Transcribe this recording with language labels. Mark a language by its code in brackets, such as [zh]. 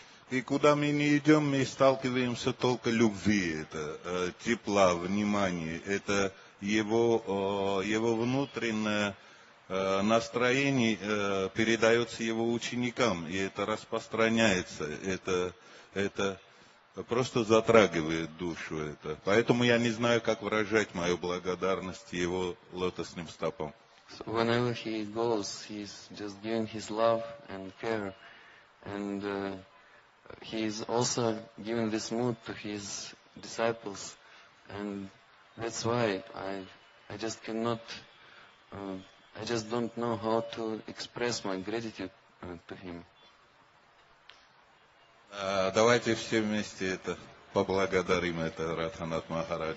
[ru] И куда мы не идем, мы сталкиваемся только любви, это тепла, внимания, это его внутреннее настроение передается его ученикам, и это распространяется, это просто затрагивает душу это. Поэтому я не знаю, как выражать мою благодарность его лотосным стопам. [en] So whenever he goes, he's just giving his love and care, and he is also giving this mood to his disciples, and that's why I just cannot, I just don't know how to express my gratitude to him. [ru] Давайте все вместе это поблагодарим это Радханат Махарадж.